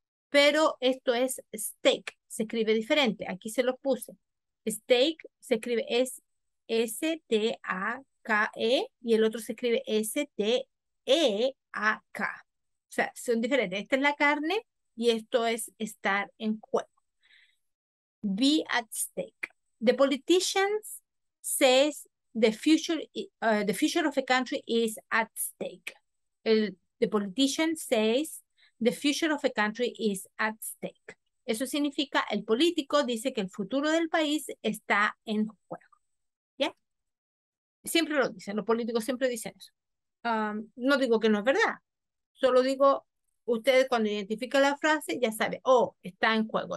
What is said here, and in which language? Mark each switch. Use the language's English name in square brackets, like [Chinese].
[Spanish] Pero esto es steak, se escribe diferente. Aquí se lo puse. Steak se escribe S-T-A-K-E y el otro se escribe S-T-E-A-K. O sea, son diferentes. Esta es la carne y esto es estar en juego. [English] Be at stake. The politicians says the future of a country is at stake. The politician says the future of a country is at stake. [Spanish] Eso significa, el político dice que el futuro del país está en juego. ¿Ya? Siempre lo dicen, los políticos siempre dicen eso. No digo que no es verdad. Solo digo, ustedes cuando identifican la frase, ya saben, oh, está en juego.